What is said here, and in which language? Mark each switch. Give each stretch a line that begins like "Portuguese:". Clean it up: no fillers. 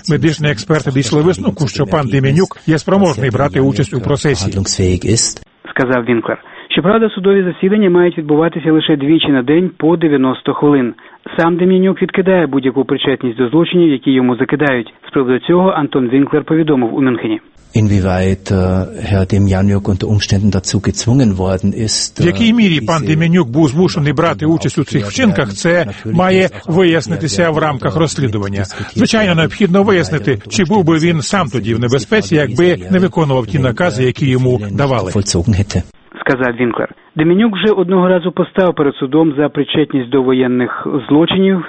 Ukrainian: Медичні експерти дійшли висновку, що пан Дем'янюк є спроможний брати участь у процесі. Сказав Вінклер. Щоправда, судові засідання мають відбуватися лише двічі на день по 90 хвилин. Сам Дем'янюк відкидає будь-яку причетність до злочинів, які йому закидають. З приводу цього Антон Вінклер повідомив у Мюнхені.
German: Inwieweit Herr Demjanjuk unter Umständen dazu gezwungen worden ist.
Ukrainian: В якій мірі пан Демянюк був змушений брати участь у цих вчинках, це має вияснитися в рамках розслідування. Звичайно, необхідно вияснити, чи був би він сам тоді в небезпеці, якби не виконував ті накази, які йому давали. Сказав Вінклер. Демянюк вже одного разу постав перед судом за причетність до воєнних злочинів.